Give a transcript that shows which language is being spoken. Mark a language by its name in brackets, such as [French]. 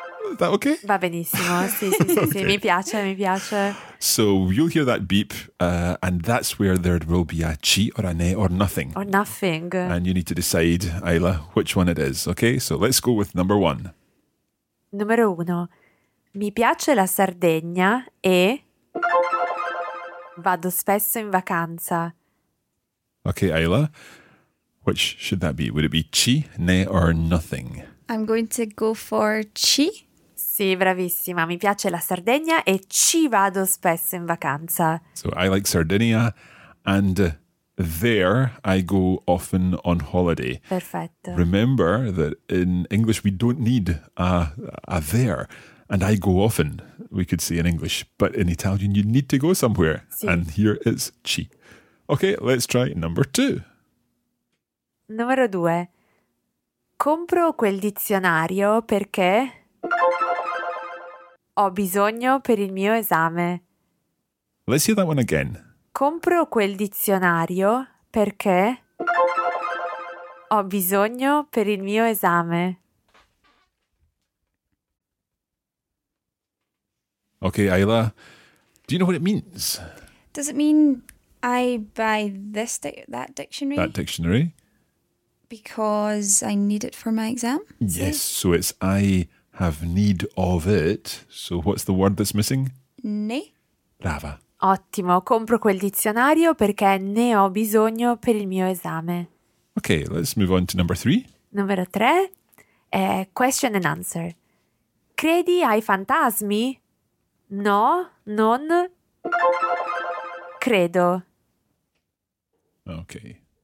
[English] Is that okay? [Italian] Va benissimo, sì. Okay. Mi piace. [English] So you'll hear that beep and that's where there will be a ci or a ne or nothing. Or nothing. And you need to decide, Ayla, which one it is, okay? So let's go with number one. [Italian] Numero uno. Mi piace la Sardegna e vado spesso in vacanza. [English] Okay, Ayla, which should that be? Would it be ci, ne or nothing? I'm going to go for ci. [Italian] Sì, bravissima. Mi piace la Sardegna e ci vado spesso in vacanza. [English] So I like Sardinia and there I go often on holiday. [Italian] Perfetto. [English] Remember that in English we don't need a there and I go often, we could say in English. But in Italian you need to go somewhere. [Italian] Sì. [English] And here it's ci. Okay, let's try number two. [Italian] Numero due. Compro quel dizionario perché ho bisogno per il mio esame. [English] Let's hear that one again. [Italian] Compro quel dizionario perché ho bisogno per il mio esame. [English] Okay, Ayla, Do you know what it means? Does it mean I buy this that dictionary? That dictionary. Because I need it for my exam? Yes, so it's I have need of it. So what's the word that's missing? [Italian] Ne. Brava. Ottimo, compro quel dizionario perché ne ho bisogno per il mio esame. [English] Okay, let's move on to number three. [Italian] Numero tre, [English] question and answer. [Italian] Credi ai fantasmi? No, non credo. [English] Okay.